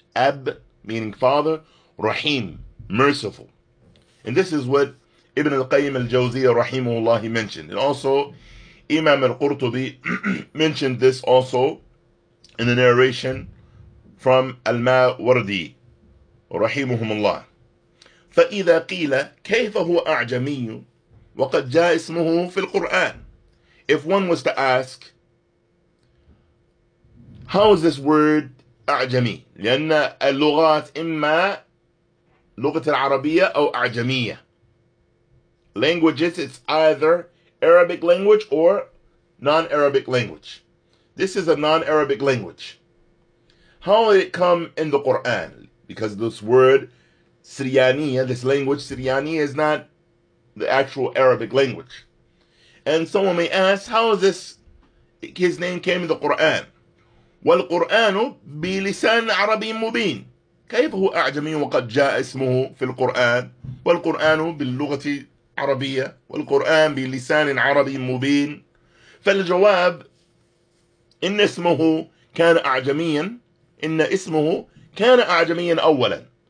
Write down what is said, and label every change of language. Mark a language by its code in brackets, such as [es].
[en] Ab meaning father, Rahim, merciful. And this is what Ibn al-Qayyim al-Jawziyyah rahimahullah mentioned. And also, Imam al-Qurtubi mentioned this also in a narration from al-Mawardi rahimahumullah. [ar] فإذا قيل كيف هو أعجمي وقد جاء اسمه في القرآن. [en] If one was to ask, how is this word أعجمي؟ [ar] لأن اللغات إما لغة العربية أو أعجمية. [en] Languages, it's either Arabic language or non-Arabic language. This is a non-Arabic language. How did it come in the Quran? Because this word Syriania, this language, Syriania is not the actual Arabic language. And someone may ask, how is this, his name came in the Quran? [ar] والقرآن بلسان عربي مبين. كيف هو أعجمي وقد جاء اسمه في القرآن؟ والقرآن باللغة العربية. والقرآن بلسان عربي مبين. فالجواب, إن اسمه كان أعجميا, إن اسمه كان أعجميا أولا.